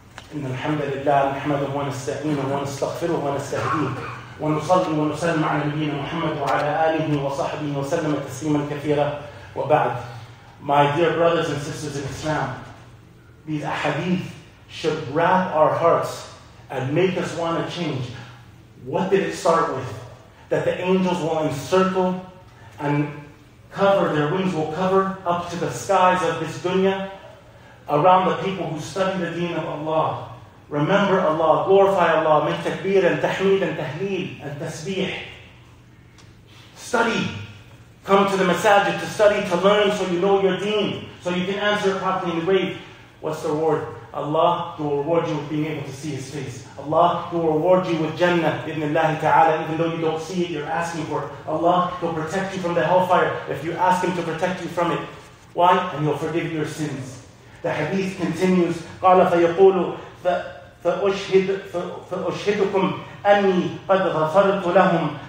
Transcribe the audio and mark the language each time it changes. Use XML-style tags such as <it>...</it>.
<ar>إن الحمد لله نحمده ونستعينه ونستغفره ونستهديه ونصلي ونسلم على نبينا محمد وعلى آله وصحبه وسلم تسليما كثيرا وبعد.</ar> <en>My dear brothers and sisters in Islam, these ahadith should wrap our hearts and make us want to change. What did it start with? That the angels will encircle and cover, their wings will cover up to the skies of this dunya around the people who study the deen of Allah. Remember Allah, glorify Allah, make takbir and tahmid and tahleel and tasbih. Study. Come to the masajid to study, to learn so you know your deen, so you can answer properly in the grave. What's the reward? Allah, He will reward you with being able to see His face. Allah, He will reward you with Jannah,</en> <ar>بإذن الله تعالى,</ar> <en>even though you don't see it, you're asking for it. Allah, He will protect you from the hellfire if you ask Him to protect you from it. Why? And He'll forgive your sins. The hadith continues,</en> <ar>قَالَ فَيَقُولُ فَأُشْهِدُكُمْ أَنِّي قَدْ غَفَرْتُ لَهُمْ.</ar>